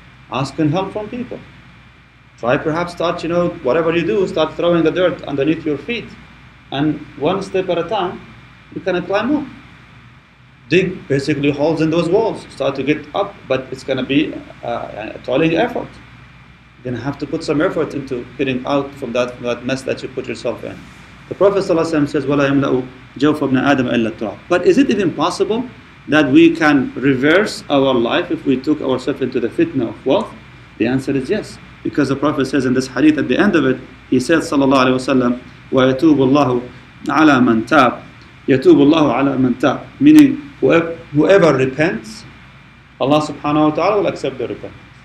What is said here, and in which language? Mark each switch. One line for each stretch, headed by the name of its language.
English: Asking help from people. Try perhaps start, you know, whatever you do, start throwing the dirt underneath your feet. And one step at a time, you can climb up. Dig basically holes in those walls, start to get up, but it's going to be a toiling effort. You're going to have to put some effort into getting out from that mess that you put yourself in. The Prophet ﷺ says,
Arabic: وَلَا يَمْلَأُ جَوْفَ ابْنَ آدَمَ إِلَّا التُّرَابُ.
English: But is it even possible that we can reverse our life if we took ourselves into the fitna of wealth? The answer is yes. Because the Prophet says in this hadith at the end of it, he said, sallallahu alayhi wa sallam,
Arabic: وَيَتُوبُ اللَّهُ عَلَى مَنْ تَابُ. يَتُوبُ اللَّهُ عَلَى مَنْ تَابْ,
English: meaning whoever repents, Allah subhanahu wa ta'ala will accept the repentance.